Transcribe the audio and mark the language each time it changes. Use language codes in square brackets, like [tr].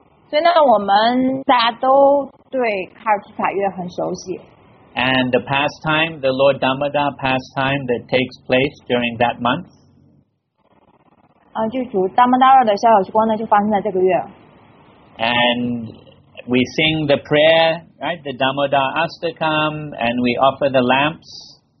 [zh] 所以呢，我们大家都对卡尔提卡月很熟悉。 [en] And the pastime, the Lord Damodar pastime that takes place during that month. [zh] 就主达摩达尔的逍遥时光呢，就发生在这个月。 [en] And we sing the prayer, right? The Damodar Astakam, and we offer the lamps.